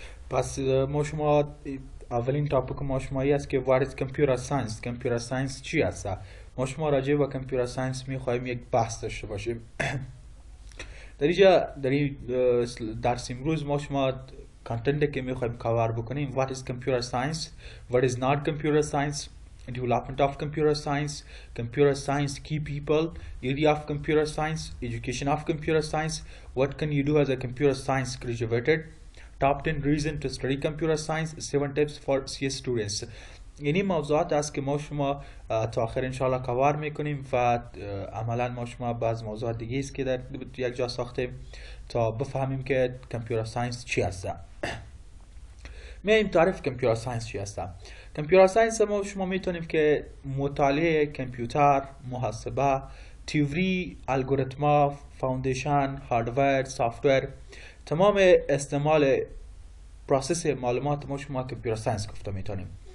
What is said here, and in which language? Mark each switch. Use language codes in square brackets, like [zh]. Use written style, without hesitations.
[fa] پس ما شما اولین تاپک ما شما ای است که [en] What is Computer Science؟ [fa] Computer Science چی است؟ ما شما راجع به Computer Science می خواهیم یک بحث داشته باشیم. در اینجا در این درس امروز ما شما کانتنت که می خواهیم کاور بکنیم [en] What is Computer Science؟ What is not Computer Science؟ Development of computer science key people, area of computer science, education of computer science, what can you do as a computer science graduate, top 10 reasons to study computer science, 7 tips for CS students. [fa] یعنی موضوعات است که ما شما تا آخر انشاءالله کاور میکنیم و عملا ما شما بعض موضوعات دیگه است که در یک جا ساختیم تا بفهمیم که کمپیوتر ساینس چی هست. میایم تعریف کمپیوتر ساینس چی هست. کمپیوتر ساینس ما شما میتونیم که مطالعه کمپیوتر، محاسبه، تیوری، الگوریتما، فاوندیشن، هاردویر، سافتویر، تمام استعمال پروسس معلومات ما شما کمپیوتر ساینس گفته میتونیم.